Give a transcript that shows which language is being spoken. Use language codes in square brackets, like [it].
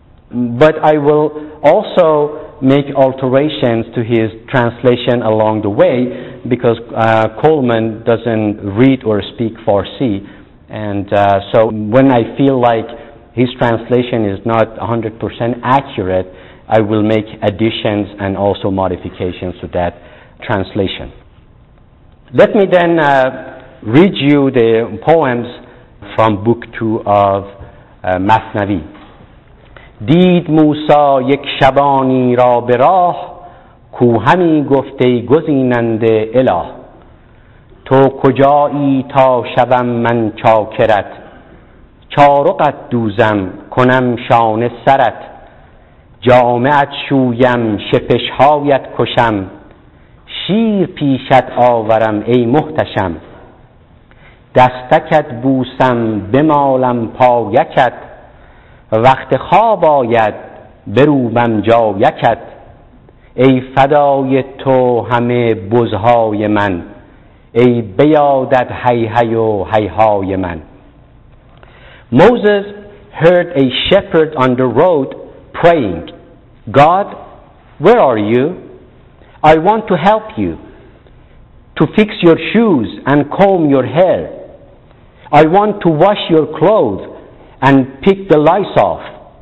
[en] but I will also make alterations to his translation along the way, because Coleman doesn't read or speak Farsi, and so when I feel like his translation is not 100% accurate, I will make additions and also modifications to that translation. Let me then read you the poems from Book 2 of Masnavi. [fa] دید موسی یک شبانی را به راه کو همی گفته گزیننده اله تو کجایی تا شوم من چاکرت چارقت دوزم کنم شانه سرت جامعت شویم شپشهایت کشم شیر پیشت آورم ای محتشم دستکت بوسم بمالم پایکت وقت خواب آید بروبم جا یکت ای فدای تو همه بزهای من ای بیادت هی هی و هی های من. [en] Moses heard a shepherd on the road praying, God, where are you? I want to help you to fix your shoes and comb your hair. I want to wash your clothes and pick the lice off.